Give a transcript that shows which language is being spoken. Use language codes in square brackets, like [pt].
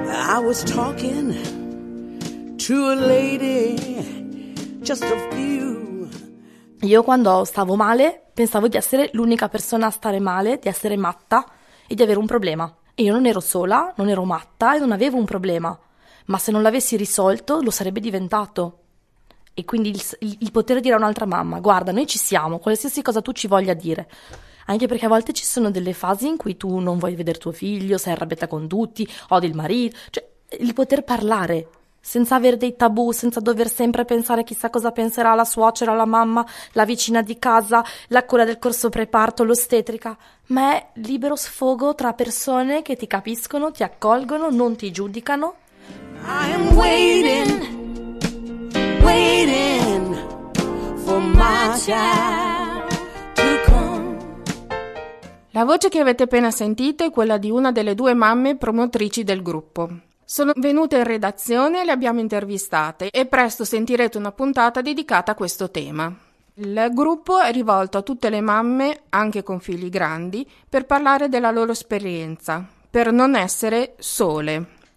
[en] I was talking to a lady, just a few. [it] Io quando stavo male pensavo di essere l'unica persona a stare male, di essere matta e di avere un problema. E io non ero sola, non ero matta e non avevo un problema. Ma se non l'avessi risolto lo sarebbe diventato. E quindi il potere dire a un'altra mamma, guarda, noi ci siamo, qualsiasi cosa tu ci voglia dire. Anche perché a volte ci sono delle fasi in cui tu non vuoi vedere tuo figlio, sei arrabbiata con tutti, odi il marito. Cioè, il poter parlare senza avere dei tabù, senza dover sempre pensare chissà cosa penserà la suocera, la mamma, la vicina di casa, la cura del corso preparto, l'ostetrica. Ma è libero sfogo tra persone che ti capiscono, ti accolgono, non ti giudicano. [en] I'm waiting, waiting for my child. [it] La voce che avete appena sentito è quella di una delle due mamme promotrici del gruppo. Sono venute in redazione e le abbiamo intervistate e presto sentirete una puntata dedicata a questo tema. Il gruppo è rivolto a tutte le mamme, anche con figli grandi, per parlare della loro esperienza, per non essere sole.